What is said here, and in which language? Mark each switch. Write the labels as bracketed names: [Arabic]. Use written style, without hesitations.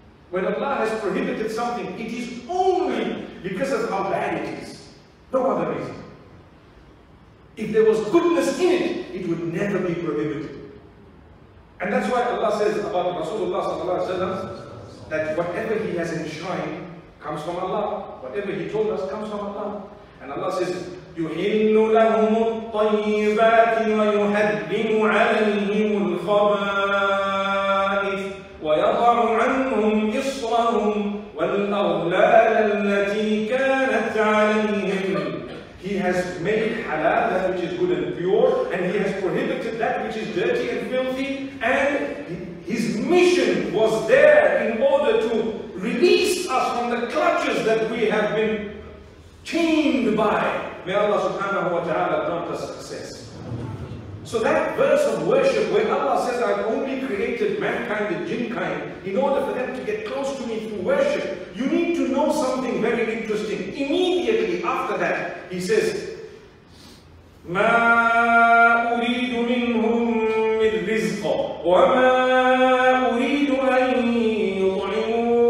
[English] When Allah has prohibited something, it is only because of how bad it is. No other reason. If there was goodness in it, it would never be prohibited. And that's why Allah says about Rasulullah sallallahu alaihi wasallam that whatever He has enshrined comes from Allah. Whatever He told us comes from Allah. [Arabic] And Allah says, يُحِلُّ لَهُمُ الطَّيِّبَاتِ وَيُحَرِّمُ عَلَيْهِمُ الْخَبَائِثَ وَيَضَعُ عَنْهُمْ إِصْرَهُمْ وَالْأَغْلَالَ الَّتِي كَانَتْ عَلَيْهِمْ. [English] He has made halal that which is good and pure, and He has prohibited that which is dirty and filthy, and His mission was there in order to release us from the clutches that we have been chained by. May Allah subhanahu wa ta'ala grant us success. So that verse of worship where Allah says, I've only created mankind and jinnkind in order for them to get close to me through worship, you need to know something very interesting. Immediately after that, he says, [Arabic] مَا أُرِيدُ مِنْهُمْ مِنْ رِزْقَ وَمَا أُرِيدُ أَنْ يُطْعِمُونَ.